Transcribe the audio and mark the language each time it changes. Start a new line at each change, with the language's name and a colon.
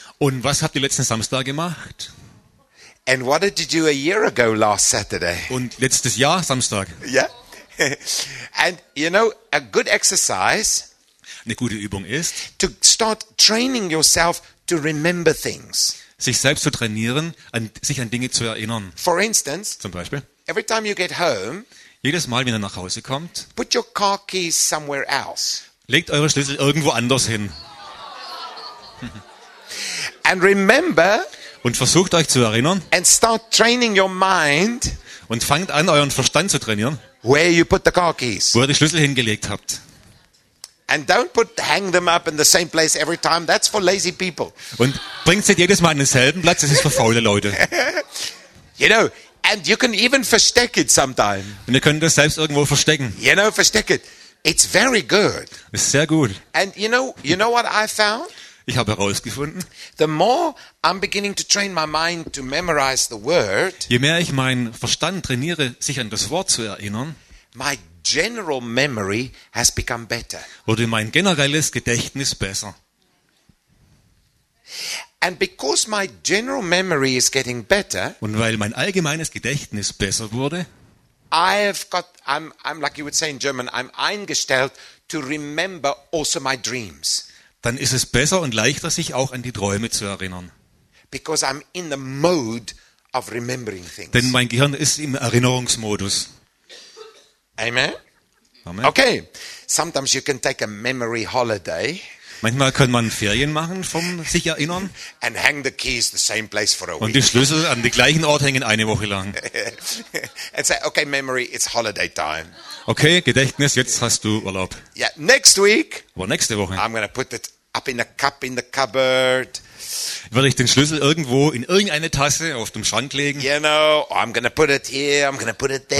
German: Und was habt ihr letzten Samstag gemacht?
English: And what did you do a year ago last Saturday?
German: Und letztes Jahr Samstag? Yeah.
English: And you know, a good exercise.
German: Eine gute Übung ist.
English: To start training yourself to remember things.
German: Sich selbst zu trainieren, sich an Dinge zu erinnern.
English: For instance.
German: Zum Beispiel.
English: Every time you get home.
German: Jedes Mal, wenn ihr nach Hause kommt.
English: Put your car keys somewhere else.
German: Legt eure Schlüssel irgendwo anders hin.
English: And remember.
German: Und versucht euch zu erinnern.
English: And start training your mind.
German: Und fangt an, euren Verstand zu trainieren.
English: Where you put the car keys.
German: Wo ihr die Schlüssel hingelegt habt.
English: And don't hang them up in the same place every time. That's for lazy people.
German: Und bringt sie jedes Mal an denselben Platz. Das ist für faule Leute.
English: You know, and you can even versteck it sometime.
German: Und ihr könnt das selbst irgendwo verstecken.
English: You know, versteck it. It's very good.
German: Ist sehr gut.
English: And you know what I found?
German: Ich habe herausgefunden.
English: The more I'm beginning to train my mind to memorize the word.
German: Je mehr ich meinen Verstand trainiere, sich an das Wort zu erinnern.
English: My general memory has become better.
German: Wurde mein generelles Gedächtnis besser.
English: And because my general memory is getting better.
German: Und weil mein allgemeines Gedächtnis besser wurde.
English: I have got, I'm like you would say in German, I'm eingestellt to remember also my dreams.
German: Dann ist es besser und leichter, sich auch an die Träume zu erinnern.
English: Because I'm in the mode of remembering things.
German: Denn mein Gehirn ist im Erinnerungsmodus. Amen. Amen. Okay.
English: Sometimes you can take a memory holiday.
German: Manchmal kann man Ferien machen vom sich erinnern.
English: And hang the keys the same place for a week.
German: Und die Schlüssel an den gleichen Ort hängen eine Woche lang.
English: And say, okay, memory, it's holiday time.
German: Okay, Gedächtnis, jetzt hast du Urlaub.
English: Yeah, next week.
German: Aber nächste Woche.
English: I'm gonna put it up in a cup in the cupboard.
German: Werde ich den Schlüssel irgendwo in irgendeine Tasse auf dem Schrank legen?
English: You know, I'm gonna put it here, I'm gonna put it there.